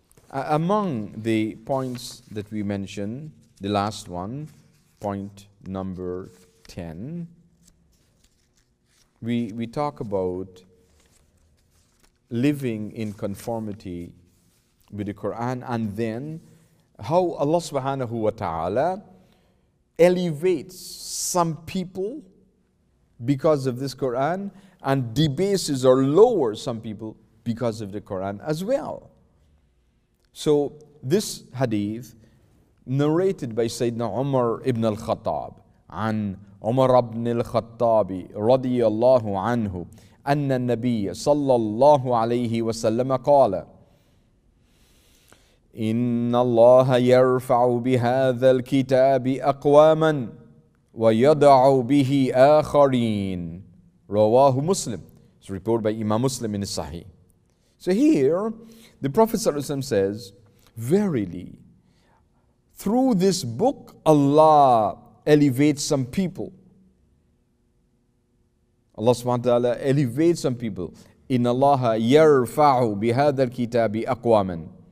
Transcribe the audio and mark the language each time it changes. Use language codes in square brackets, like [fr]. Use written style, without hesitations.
[en] Among the points that we mentioned, the last one, point number 10, we talk about living in conformity with the Quran, and then how Allah subhanahu wa ta'ala elevates some people because of this Quran and debases or lowers some people because of the Quran as well. So this hadith narrated by Sayyidina Umar ibn al-Khattab [ar] عن عمر بن الخطاب رضي الله عنه أن النبي صلى الله عليه وسلم قال إن الله يرفع بهذا الكتاب أقواما ويضع به آخرين رواه مسلم. [en] It's reported by Imam Muslim in Sahih. So here the Prophet صلى الله عليه وسلم says, verily, through this book Allah elevates some people. Allah subhanahu wa ta'ala elevates some people. [ar] In Allah yarfa'u bihadha al-kitabi aqwaman.